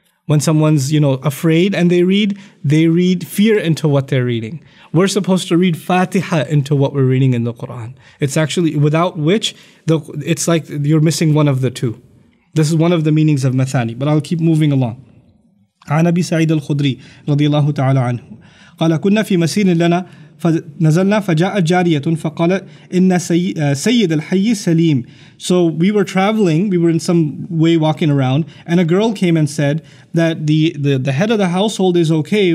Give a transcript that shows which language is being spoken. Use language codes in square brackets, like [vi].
[en] When someone's, you know, afraid and they read fear into what they're reading. We're supposed to read Fatiha into what we're reading in the Quran. It's actually, without which, it's like you're missing one of the two. This is one of the meanings of Mathani, but I'll keep moving along. [ar] عن أبي سعيد الخدري رضي الله تعالى عنه قال كنا في مسير لنا فنزلنا فجاءت جارية فقالت إن سيد الحي سليم. [en] So we were traveling, we were in some way walking around, and a girl came and said that the head of the household is okay.